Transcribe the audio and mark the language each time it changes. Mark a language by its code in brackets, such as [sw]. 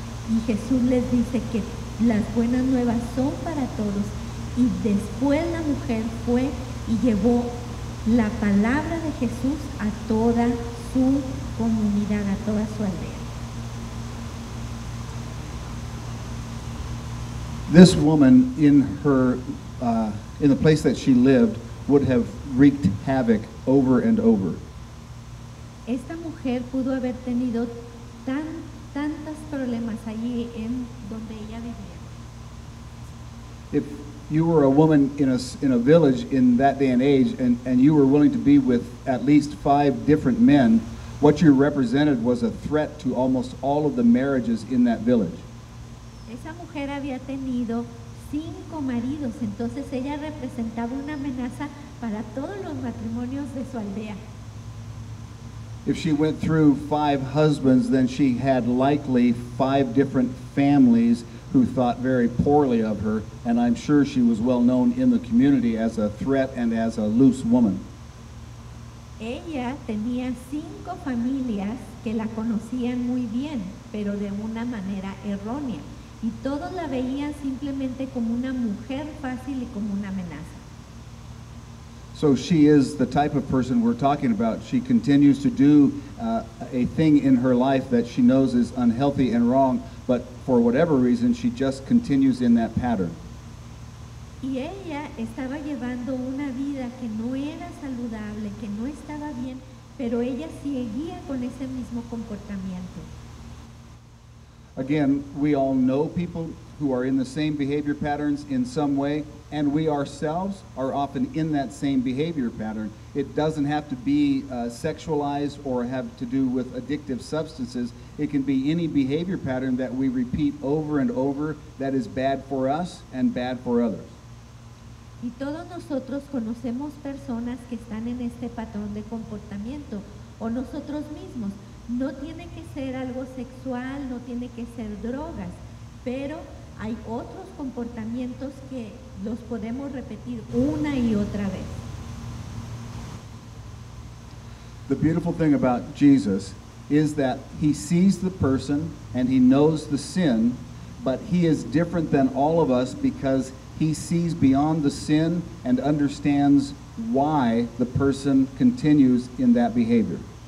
[es] Y Jesús les dice que las buenas nuevas son para todos. Y después la mujer fue y llevó la palabra de Jesús a toda su comunidad, a toda su aldea. [en] This woman in her in the place that she lived would have wreaked havoc over and over. [es] Esta mujer pudo haber tenido tantos problemas allí en donde ella vivía. [en] If you were a woman in a village in that day and age and you were willing to be with at least 5 different men, what you represented was a threat to almost all of the marriages in that village. [es] Esa mujer había tenido 5 maridos, entonces ella representaba una amenaza para todos los matrimonios de su aldea. [en] If she went through 5 husbands, then she had likely 5 different families who thought very poorly of her, and I'm sure she was well known in the community as a threat and as a loose woman. [es] Ella tenía 5 familias que la conocían muy bien, pero de una manera errónea, y todos la veían simplemente como una mujer fácil y como una amenaza. [en] So she is the type of person we're talking about. She continues to do a thing in her life that she knows is unhealthy and wrong, but for whatever reason, she just continues in that pattern. [es] Y ella estaba llevando una vida que no era saludable, que no estaba bien, pero ella seguía con ese mismo comportamiento. [en] Again, we all know people who are in the same behavior patterns in some way, and we ourselves are often in that same behavior pattern. It doesn't have to be sexualized or have to do with addictive substances. It can be any behavior pattern that we repeat over and over that is bad for us and bad for others. [es] Y todos nosotros conocemos personas que están en este patrón de comportamiento, o nosotros mismos. No tiene que ser algo sexual, no tiene que ser drogas, pero hay otros comportamientos que los podemos repetir una y otra vez. [en] The beautiful thing about Jesus is that he sees the person and he knows the sin, but he is different than all of us because he sees beyond the sin and understands why the person continues in that behavior.